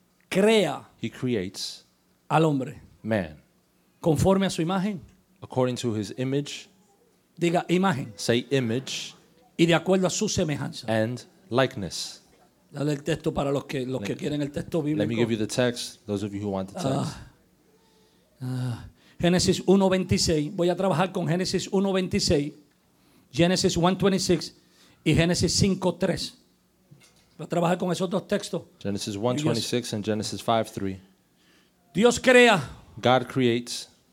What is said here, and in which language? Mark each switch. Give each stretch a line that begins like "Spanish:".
Spanish: Crea.
English: He creates.
Spanish: Al hombre.
English: Man.
Spanish: Conforme a su imagen.
English: According to his image.
Spanish: Diga imagen.
English: Say image.
Spanish: Y de acuerdo a su semejanza.
English: And likeness.
Spanish: Dale el texto para los que quieren el texto bíblico.
English: Let me give you the text, those of you who want the text.
Spanish: Génesis 1:26. Voy a trabajar con Génesis 1:26, Génesis 1:26 y Génesis 5:3. Voy a trabajar con esos dos textos.
English: Genesis 1:26 and Genesis 5:3.
Spanish: Dios crea.
English: God creates.